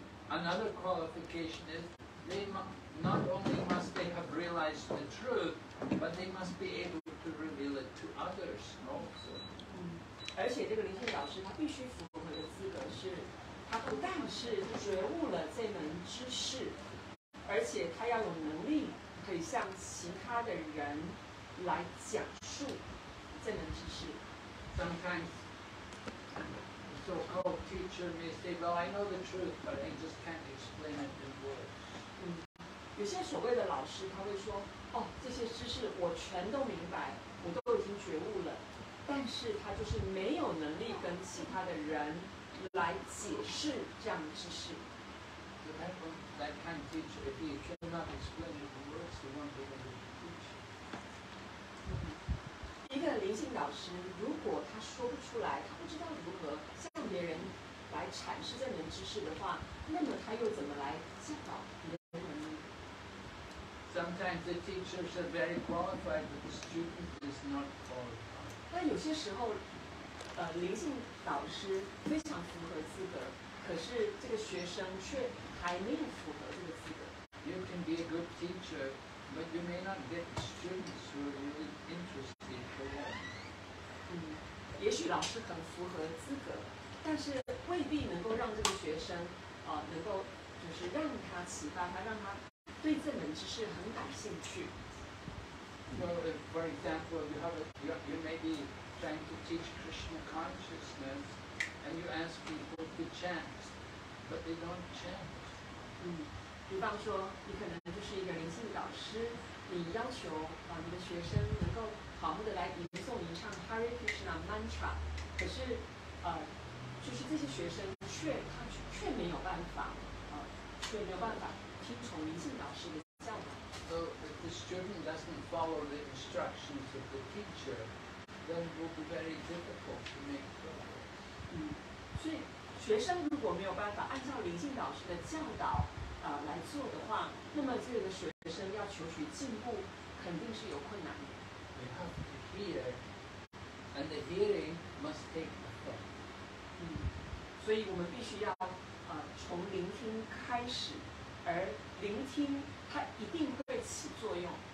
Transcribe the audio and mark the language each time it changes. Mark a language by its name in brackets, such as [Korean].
[English] Another qualification is they not only must they have realized the truth, but they must be able to reveal it to others also. [Chinese] 而且这个灵性导师他必须符合的资格是，他不但是觉悟了这门知识，而且他要有能力可以向其他的人来讲述这门知识。 [English] Sometimes. So-called teacher may say, "Well, I know the truth, but I just can't explain it in words." [Chinese] 有些所谓的老师他会说，哦，这些知识我全都明白，我都已经觉悟了，但是他就是没有能力跟其他的人来解释这样的知识。 [English] So that kind of teacher, if you cannot explain it in words, you won't be able to teach. [Chinese] 一个灵性导师，如果他说不出来，他不知道如何。别人来阐释这门知识的话，那么他又怎么来教导你的人呢？ [English] Sometimes the teachers are very qualified, but the student is not qualified. [Chinese] 那有些时候，灵性导师非常符合资格，可是这个学生却还没有符合这个资格。 [English] You can be a good teacher, but you may not get the students who are really interested for that. [Chinese] 也许老师很符合资格。但是未必能够让这个学生能够就是让他启发他，让他对这门知识很感兴趣。 [English] So, for example, you may be trying to teach Krishna consciousness, and you ask people to chant, but they don't chant. [Chinese] 比方说，你可能就是一个灵性导师，你要求你的学生能够好好的来吟诵吟唱 Hare Krishna mantra， 可是就是这些学生却没有办法却没有办法听从灵性导师的教导。 [English] So if the student doesn't follow the instructions of the teacher, then it will be very difficult to make progress. [Chinese] 所以学生如果没有办法按照灵性导师的教导来做的话，那么这个学生要求取进步肯定是有困难的。 [English] They have to hear, and the hearing must take effect. [Chinese] 所以我们必须要从聆听开始，而聆听它一定会起作用。